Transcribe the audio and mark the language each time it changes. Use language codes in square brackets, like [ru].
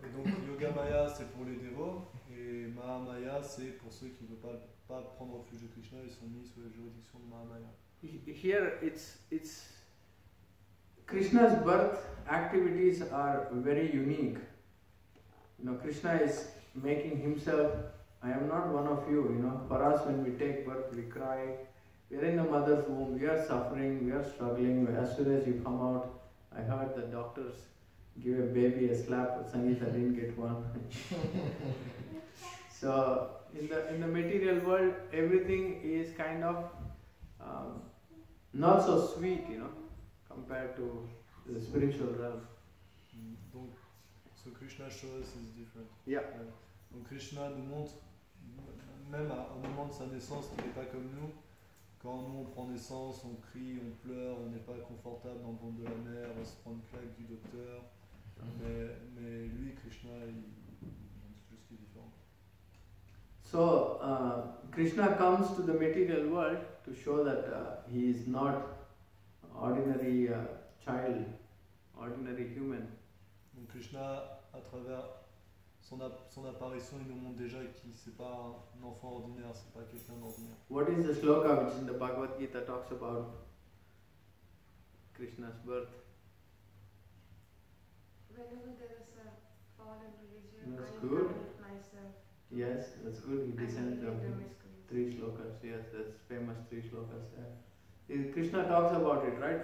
[fr] et donc Yoga Maya c'est pour les dévots et Mahamaya c'est pour ceux qui ne veulent pas prendre refuge de Krishna et sont mis sous la juridiction de Mahamaya. [en] Here it's Krishna's birth activities are very unique. You know, Krishna is making himself, I am not one of you, you know. For us, when we take birth, we cry. We are in the mother's womb, we are suffering, we are struggling. As soon as you come out, I heard the doctors give a baby a slap, but Sangeeta didn't get one. So, in the material world, everything is kind of not so sweet, you know. Compared to the spiritual realm. So Krishna shows is different. Yeah. [fr] Donc Krishna nous montre, même au moment de sa naissance, qu'il n'est pas comme nous. Quand nous on prend naissance, on crie, on pleure, on n'est pas confortable dans le ventre de la mère, on se prend une claque du docteur. Mais lui, Krishna, il montre quelque chose qui est différent. [en] So Krishna comes to the material world to show that he is not ordinary child, ordinary human. [fr] Donc Krishna, à travers son apparition, il nous montre déjà qu'il c'est pas un enfant ordinaire, c'est pas quelqu'un d'ordinaire. [en] What is the shloka which in the Bhagavad Gita talks about Krishna's birth? Whenever there is a fallen religion, yes, that's good. He descends from three shlokas. Yes, that's famous three shlokas. Yeah. Krishna talks about it, right?